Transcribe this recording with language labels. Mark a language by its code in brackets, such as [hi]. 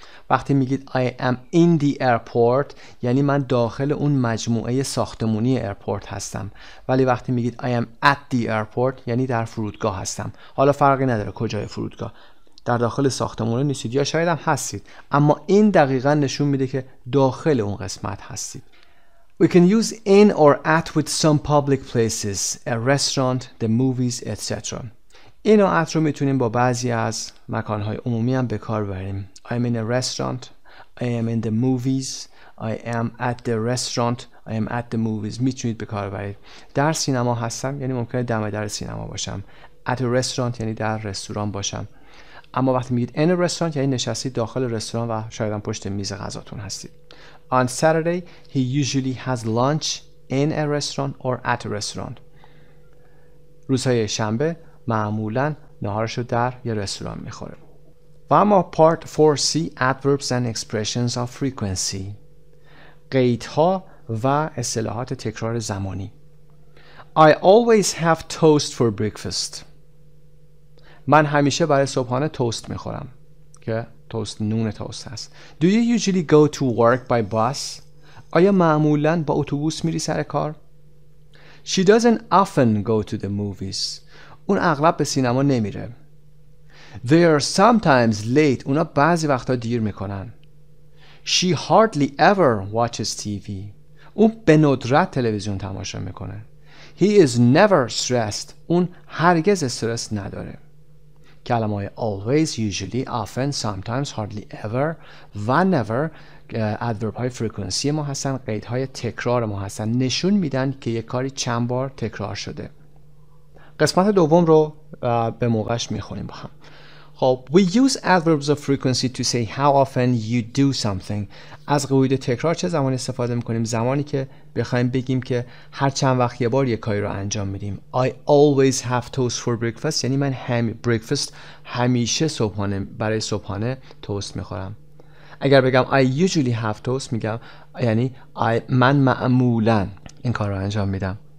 [fa] وقتی میگید [en] I am in the airport [fa] یعنی من داخل اون مجموعه ساختمونی ایرپورت هستم. ولی وقتی میگید [en] I am at the airport [fa] یعنی در فرودگاه هستم. حالا فرقی نداره کجای فرودگاه، در داخل ساختمون نیستید یا شاید هم هستید، اما این دقیقا نشون میده که داخل اون قسمت هستید. [en] We can use in or at with some public places, a restaurant, the movies, etc. [fa] In or at رو میتونیم با بعضی از مکانهای عمومی هم به کار بریم. [en] I am in a restaurant, I am in the movies, I am at the restaurant, I am at the movies. [fa] میتونید به کار برید. در سینما هستم یعنی ممکنه دم در سینما باشم. [en] At a restaurant [fa] یعنی در رستوران باشم. اما وقتی میگید [en] in a restaurant [fa] یعنی نشستید داخل رستوران و شاید هم پشت میز غذاتون هستید. [en] On Saturday, he usually has lunch in a restaurant or at a restaurant. [fa] روزهای شنبه معمولاً نهارش رو در یه رستوران می‌خوره. و اما [en] Part 4C, Adverbs and Expressions of Frequency. [fa] قیدها و اصطلاحات تکرار زمانی. [en] I always have toast for breakfast. [fa] من همیشه برای صبحانه توست میخورم. که توست نون توست هست. [en] Do you usually go to work by bus؟ [fa] آیا معمولاً با اتوبوس میری سر کار؟ [en] She doesn't often go to the movies. [fa] اون اغلب به سینما نمیره. [en] They are sometimes late. [fa] اونا بعضی وقتا دیر میکنن. [en] She hardly ever watches TV. [fa] اون به ندرت تلویزیون تماشا میکنه. [en] He is never stressed. [fa] اون هرگز استرس نداره. کلمه های always, usually, often, sometimes, hardly ever و never adverb های frequency ما هستن، قید های تکرار ما هستن، نشون میدن که یک کاری چند بار تکرار شده. قسمت دوم رو به موقعش میخونیم با هم. [en] خب we use adverbs of frequency to say how often you do something. [fa] از قید تکرار چه زمان استفاده میکنیم؟ زمانی که بخوایم بگیم که هر چند وقت یه بار یه کاری رو انجام میدیم. [en] I always have toast for breakfast. [fa] یعنی من همیشه صبحانه برای صبحانه توست میخورم. اگر بگم [en] I usually have toast [fa] میگم یعنی من معمولا این کار رو انجام میدم.